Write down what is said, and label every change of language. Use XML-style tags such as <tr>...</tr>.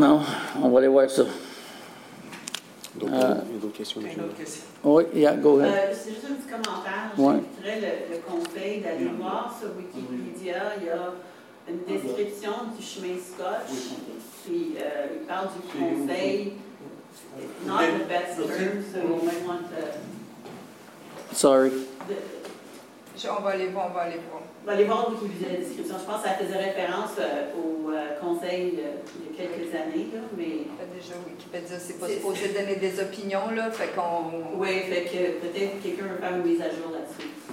<fr>Non, on va aller voir ça. Donc, il y a d'autres questions. Oui,</fr> <en>oh, yeah, go ahead.</en> <fr>C'est juste un petit commentaire. Je voudrais le conseil d'aller voir sur Wikipédia. Il y a une description du chemin Scotch. Puis, il parle du conseil.</fr> <en>Not the best term, so you might want to... Sorry.</en> <fr>On va aller voir où il y a une description. Je pense que ça faisait référence au conseil il y a quelques années, là, mais... Déjà, Wikipédia, c'est pas supposé donner des opinions, là, fait qu'on... Oui, fait que peut-être quelqu'un veut faire une mise à jour là-dessus.</fr>